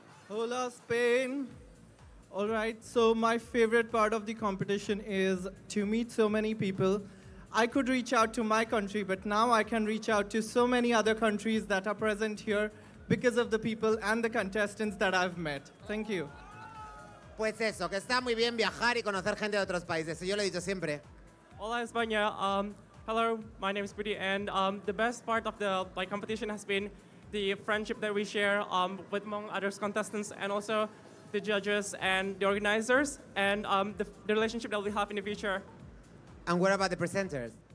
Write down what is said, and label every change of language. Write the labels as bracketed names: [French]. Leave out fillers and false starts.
[Spanish] Hola, Spain. [English] All right, so my favorite part of the competition is to meet so many people. I could reach out to my country, but now I can reach out to so many other countries that are present here because of the people and the contestants that I've met. Thank you. [Spanish] Pues eso, que está muy bien viajar y conocer gente de otros países. Yo lo he dicho siempre. Hola, España. [English] Hello, my name is Pretty, and the best part of the competition has been the friendship that we share with among other contestants and also the judges and the organizers and the relationship that we have in the future. And what about the presenters?